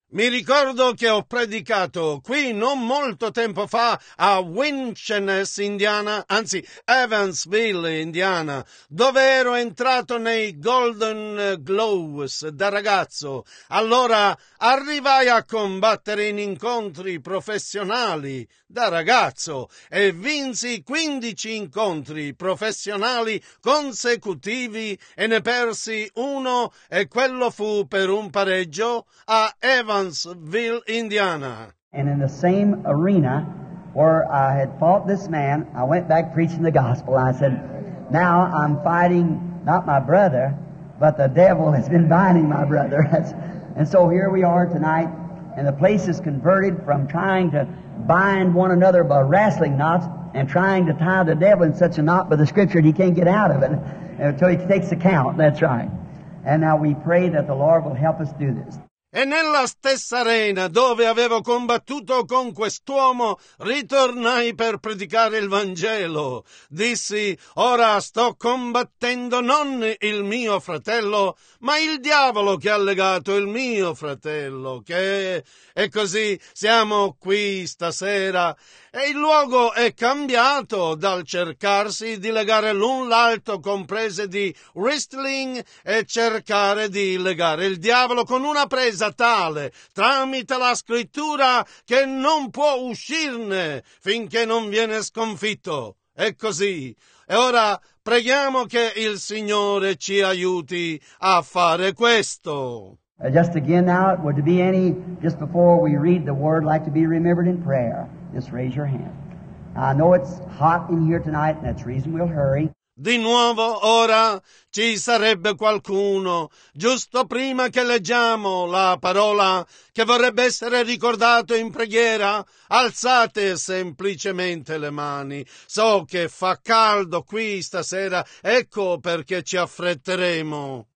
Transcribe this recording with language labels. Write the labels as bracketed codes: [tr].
[it] Mi ricordo che ho predicato qui non molto tempo fa a Winchester, Indiana, anzi Evansville, Indiana, dove ero entrato nei Golden Gloves da ragazzo. Allora arrivai a combattere in incontri professionali da ragazzo e vinsi 15 incontri professionali consecutivi e ne persi uno e quello fu per un pareggio a Evansville, Indiana. [en] And in the same arena where I had fought this man, I went back preaching the gospel. I said, now I'm fighting not my brother, but the devil has been binding my brother. And so here we are tonight, and the place is converted from trying to bind one another by wrestling knots and trying to tie the devil in such a knot by the scripture he can't get out of it until he takes the count. That's right. And now we pray that the Lord will help us do this. [it] E nella stessa arena dove avevo combattuto con quest'uomo, ritornai per predicare il Vangelo. Dissi, ora sto combattendo non il mio fratello, ma il diavolo che ha legato il mio fratello, che... E così siamo qui stasera. E il luogo è cambiato dal cercarsi di legare l'un l'altro con prese di wrestling e cercare di legare il diavolo con una presa tale tramite la scrittura che non può uscirne finché non viene sconfitto. È così. E ora preghiamo che il Signore ci aiuti a fare questo. [en] Just again now, would there be any, just before we read the word, like to be remembered in prayer? Just raise your hand. I know it's hot in here tonight, and that's the reason we'll hurry. [it] Di nuovo, ora, ci sarebbe qualcuno, giusto prima che leggiamo la parola, che vorrebbe essere ricordato in preghiera? Alzate semplicemente le mani. So che fa caldo qui stasera, ecco perché ci affretteremo.